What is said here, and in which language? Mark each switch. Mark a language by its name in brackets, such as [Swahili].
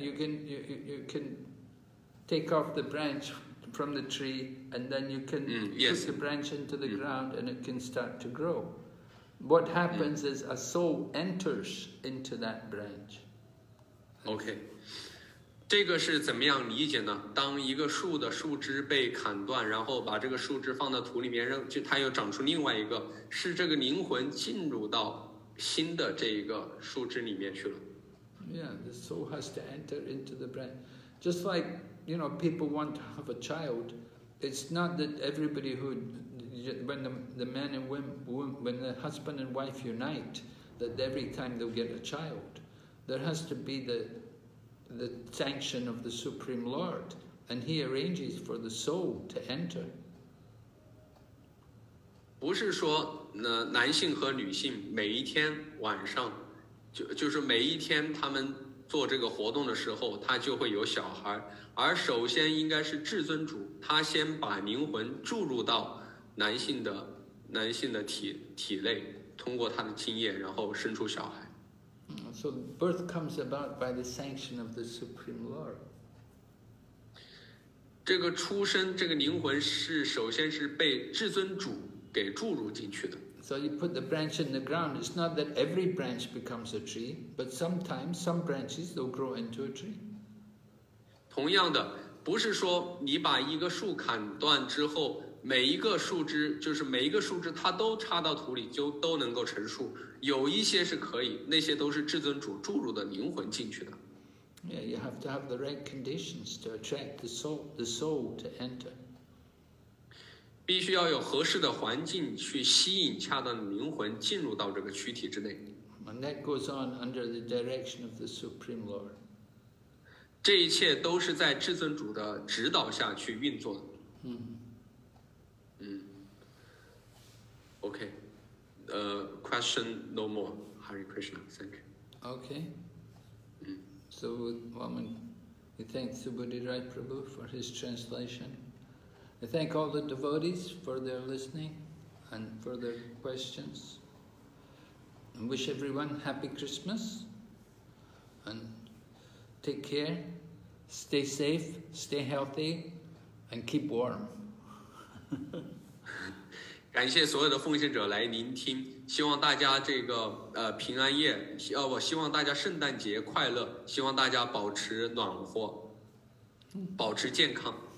[English] You can take off the branch from the tree, and then you can put the branch into the ground, and it can start to grow. What happens is a soul enters into that branch. [Chinese] OK. 这个是怎么样理解呢？当一个树的树枝被砍断，然后把这个树枝放到土里面，就它又长出另外一个，是这个灵魂进入到新的这一个树枝里面去了。 [English] Yeah, the soul has to enter into the branch. Just like, you know, people want to have a child. It's not that everybody who, when the man and women, when the husband and wife unite, that every time they'll get a child. There has to be the sanction of the Supreme Lord, and he arranges for the soul to enter. [Chinese] 不是说那男性和女性每一天晚上就是每一天他们做这个活动的时候他就会有小孩，而首先应该是至尊主他先把灵魂注入到男性的 体内，通过他的精液然后生出小孩。 [English] So birth comes about by the sanction of the Supreme Lord. [Chinese] 这个出生，这个灵魂是首先是被至尊主给注入进去的。 [English] So you put the branch in the ground. It's not that every branch becomes a tree, but sometimes some branches will grow into a tree. [Chinese] 同样的，不是说你把一个树砍断之后，每一个树枝，就是每一个树枝它都插到土里就都能够成树，有一些是可以，那些都是至尊主注入的灵魂进去的。 [English] Yeah, you have to have the right conditions to attract the soul to enter. [Chinese] 必须要有合适的环境去吸引恰当的灵魂进入到这个躯体之内。 [English] And that goes on under the direction of the Supreme Lord. [Chinese] 这一切都是在至尊主的指导下去运作的。 [English] Okay, question no more. Hare Krishna, thank you. Okay. So, woman, we thank Subhadi Rai Prabhu for his translation. I thank all the devotees for their listening and for their questions. And wish everyone happy Christmas. And take care, stay safe, stay healthy, and keep warm. [Chinese] 感谢所有的奉献者来聆听，希望大家这个平安夜，我希望大家圣诞节快乐，希望大家保持暖和，保持健康。